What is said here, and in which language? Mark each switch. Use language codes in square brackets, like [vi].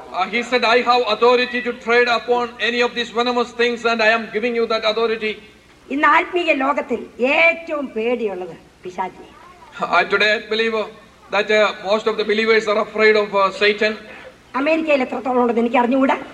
[en] He said, I have authority to tread upon any of these venomous things and I am giving you that authority. [ml] ഇന്ന് ആത്മീയ ലോകത്തിൽ ഏറ്റവും പേടിയുള്ളത് പിശാചിനെയാണ്. [en] Today I believe that most of the believers are afraid of Satan. [ml] അമേരിക്കയിൽ എത്രത്തോളം ഉണ്ടെന്ന് എനിക്ക് അറിഞ്ഞുകൂടാ.